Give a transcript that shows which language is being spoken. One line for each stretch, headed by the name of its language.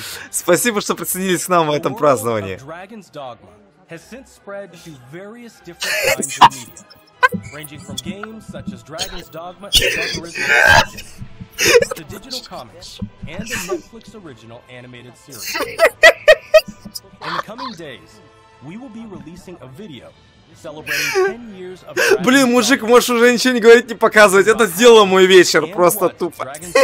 Russian: Спасибо, что присоединились к нам в этом праздновании.
English: Has since spread to various different kinds of media, ranging from games such as Dragon's Dogma and Bakurisma, to digital comics and a Netflix original animated series. In the coming days, we will be releasing a video celebrating 10 years of.
Russian: Блин, мужик, можешь уже ничего не говорить, не показывать. Это сделало мой вечер просто тупо.